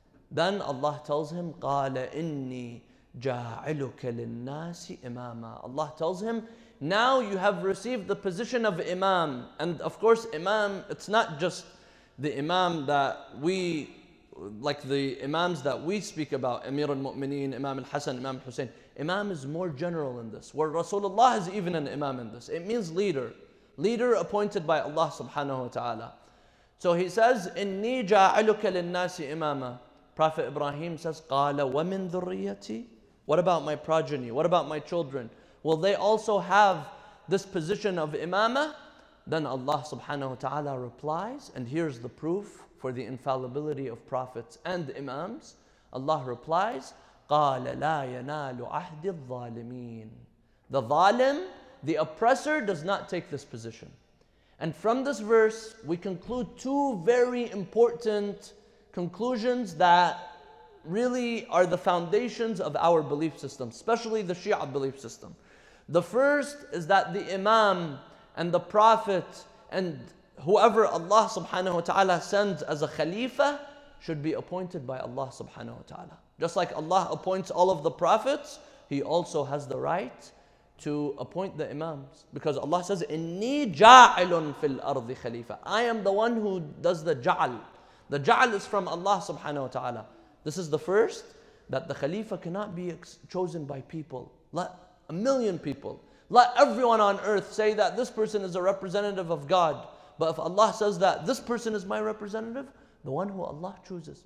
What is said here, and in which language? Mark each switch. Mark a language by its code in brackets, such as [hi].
[en] Then Allah tells him, [ar] قَالَ إِنِّي جَاعِلُكَ لِلنَّاسِ إِمَامًا. [en] Allah tells him, now you have received the position of Imam. And of course, Imam, it's not just the Imam that we, like the Imams that we speak about, Amir al-Mu'mineen, Imam al-Hasan, Imam al-Hussein. Imam is more general in this, where Rasulullah is even an Imam in this. It means leader. Leader appointed by Allah subhanahu wa ta'ala. So he says, [ar] إِنِّي جَاعِلُكَ لِلنَّاسِ إِمَامًا. [en] Prophet Ibrahim says, [ar] قَالَ وَمِن ذُرِّيَّتِي. [en] What about my progeny? What about my children? Will they also have this position of imamah? Then Allah subhanahu wa ta'ala replies, and here's the proof for the infallibility of prophets and imams. Allah replies, [ar] قَالَ لَا يَنَالُ عَهْدِ الظَّالِمِينَ. [en] The ظَالِم, the oppressor, does not take this position. And from this verse, we conclude two very important conclusions that really are the foundations of our belief system, especially the Shia belief system. The first is that the Imam and the Prophet and whoever Allah subhanahu wa ta'ala sends as a Khalifa should be appointed by Allah subhanahu wa ta'ala. Just like Allah appoints all of the Prophets, He also has the right to appoint the imams. Because Allah says, [ar] إِنِّي جَاعِلٌ فِي الْأَرْضِ خَلِيفَةً. [en] I am the one who does the ja'al. The ja'al is from Allah subhanahu wa ta'ala. This is the first, that the khalifa cannot be chosen by people. Let a million people, let everyone on earth say that this person is a representative of God. But if Allah says that this person is my representative, the one who Allah chooses.